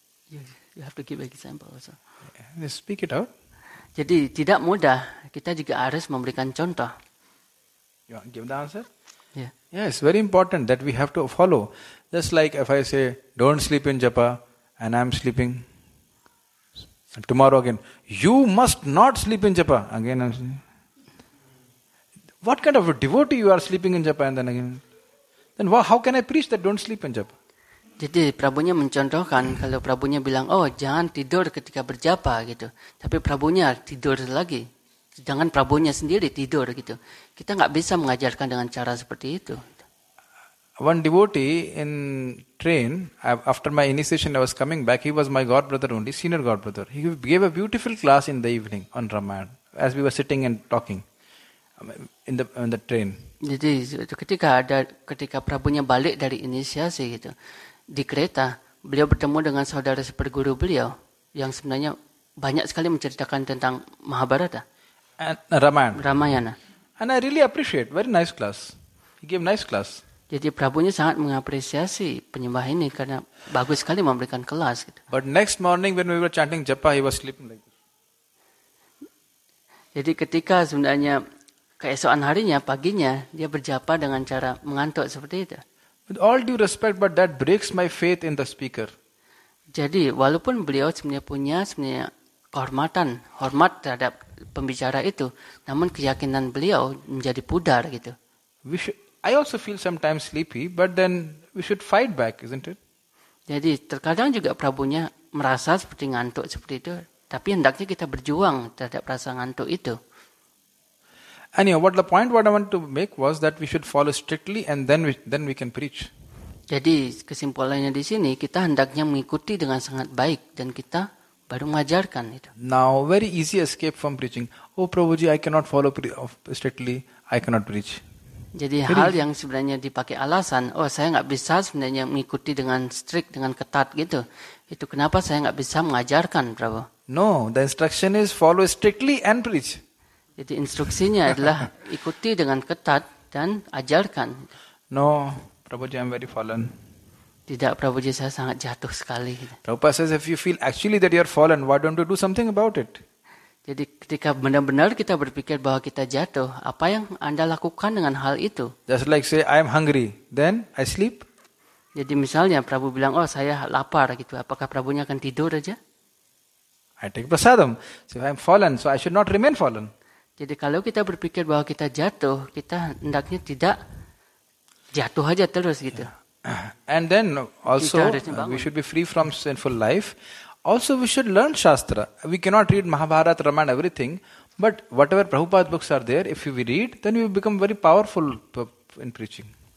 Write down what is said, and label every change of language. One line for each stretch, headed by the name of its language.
English: You have to give example also. Yeah, speak it out.
Indonesian: Jadi tidak mudah, kita juga harus memberikan contoh.
English: You want to give the answer? Yeah. Yeah, it's very important that we have to follow. Just like if I say, don't sleep in japa, and I'm sleeping. And tomorrow again, you must not sleep in japa. Again, I'm sleeping. What kind of a devotee you are sleeping in japa, and then again? Then how can I preach that don't sleep in japa?
Indonesian: Jadi Prabhunya mencontohkan kalau Prabhunya bilang, oh jangan tidur ketika berjapa gitu. Tapi Prabhunya tidur lagi. Sedangkan Prabhunya sendiri tidur gitu. Kita enggak bisa mengajarkan dengan cara seperti itu.
English: One devotee in train, after my initiation I was coming back, he was my godbrother only, senior godbrother. He gave a beautiful class in the evening on Ramayana, as we were sitting and talking in the train.
Indonesian: Jadi ketika Prabhunya balik dari inisiasi gitu, di kereta, beliau bertemu dengan saudara seperguru beliau yang sebenarnya banyak sekali menceritakan tentang Mahabharata.
English: Ramayana. And I really appreciate, very nice class. He gave nice class.
Indonesian: Jadi Prabhunya sangat mengapresiasi penyembah ini karena bagus sekali memberikan kelas. Gitu.
English: But next morning when we were chanting japa, he was sleeping like this.
Indonesian: Jadi ketika sebenarnya keesokan harinya, paginya, dia berjapa dengan cara mengantuk seperti itu.
English: With all due respect, but that breaks my faith in the speaker.
Indonesian: Jadi walaupun beliau sebenarnya punya kehormatan, hormat terhadap pembicara itu, namun keyakinan beliau menjadi pudar gitu.
English: I also feel sometimes sleepy, but then we should fight back, isn't it?
Indonesian: Jadi terkadang juga Prabhunya merasa seperti ngantuk seperti itu, tapi hendaknya kita berjuang terhadap rasa ngantuk itu.
English: Anyway, the point I want to make was that we should follow strictly and then we can preach.
Indonesian: Jadi kesimpulannya di sini kita hendaknya mengikuti dengan sangat baik dan kita baru mengajarkan itu.
English: Now very easy escape from preaching. Oh Prabhuji, I cannot follow strictly, I cannot preach.
Indonesian: Jadi very hal yang sebenarnya dipakai alasan, oh saya enggak bisa sebenarnya mengikuti dengan strict, dengan ketat gitu. Itu kenapa saya enggak bisa mengajarkan, Prabhu.
English: No, the instruction is follow strictly and preach.
Indonesian: Jadi instruksinya adalah ikuti dengan ketat dan ajarkan.
English: No, Prabhuji, I'm very fallen.
Indonesian: Tidak, Prabhuji, saya sangat jatuh sekali.
English: Prabhupada says, if you feel actually that you're fallen, why don't you do something about it?
Indonesian: Jadi ketika benar-benar kita berpikir bahwa kita jatuh, apa yang Anda lakukan dengan hal itu?
English: Just like say, I'm hungry, then I sleep.
Indonesian: Jadi misalnya Prabhu bilang, oh saya lapar, gitu. Apakah Prabhunya akan tidur aja?
English: I take prasadam. So I'm fallen, so I should not remain fallen.
Indonesian: Jadi kalau kita berpikir bahwa kita jatuh, kita hendaknya tidak jatuh aja terus gitu.
English: And then also we should be free from sinful life. Also we should learn Shastra. We cannot read Mahabharata, Ramayana, everything. But whatever Prabhupada books are there, if we read, then we become very powerful in preaching.